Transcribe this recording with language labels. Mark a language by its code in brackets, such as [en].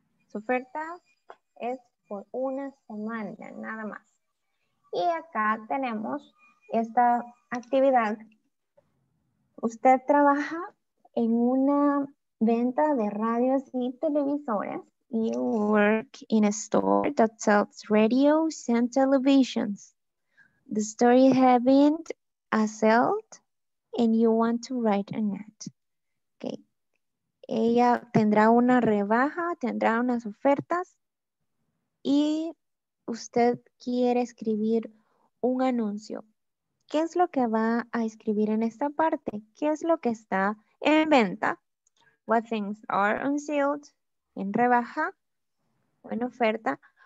[es] Su oferta es por una semana, nada más. Y acá tenemos esta actividad. Usted trabaja en una venta de radios y televisores. [en] You work in a store that sells radios and televisions. The story happened a sale and you want to write an ad. Okay. [es] Ella tendrá una rebaja, tendrá unas ofertas y usted quiere escribir un anuncio. ¿Qué es lo que va a escribir en esta parte? ¿Qué es lo que está en venta? [en] What things are on sale, [es] en rebaja o en oferta.